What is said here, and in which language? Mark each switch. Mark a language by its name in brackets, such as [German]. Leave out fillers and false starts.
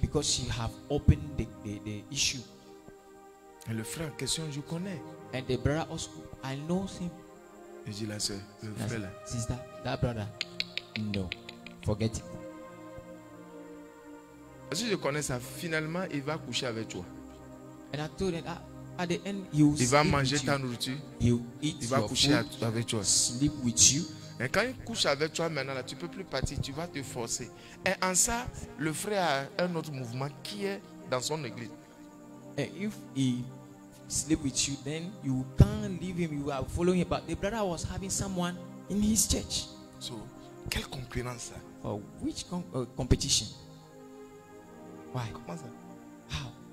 [English] Because she have opened the issue. [French] Et le frère en question, je connais. [English] And the brother also, I know him. [French] Et je dis la sœur, le [English] sister, [French] frère là. [English] Sister, that brother, no, forget it. [French] Si je connais ça, finalement, il va coucher avec toi. [English] And I told him, at the end, he will. [French] Il va manger ta nourriture. [English] He will eat. [French] Il va coucher [English] food, [French] avec toi. [English] Sleep with you. [French] Et quand il couche avec toi maintenant, là, tu ne peux plus partir, tu vas te forcer. Et en ça, le frère a un autre mouvement qui est dans son église. [English] And if he sleep with you, then you can't leave him, you are following him. But the brother was having someone in his church. [French] So, quelle concurrence ça? [English] For which competition? Why? [French] Comment ça? [English] How?